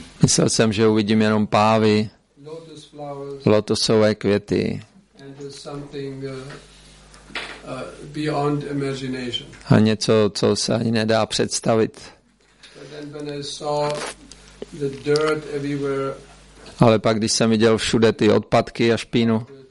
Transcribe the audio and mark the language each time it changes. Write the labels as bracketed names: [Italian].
[Czech] Myslel jsem, že uvidím jenom pávy, [English] lotus flowers, [Czech] lotosové květy. [English] And something beyond imagination. [Czech] A něco, co se ani nedá představit. [English] But then when I saw the dirt everywhere. [Czech] Ale pak když jsem viděl všude ty odpadky a špínu.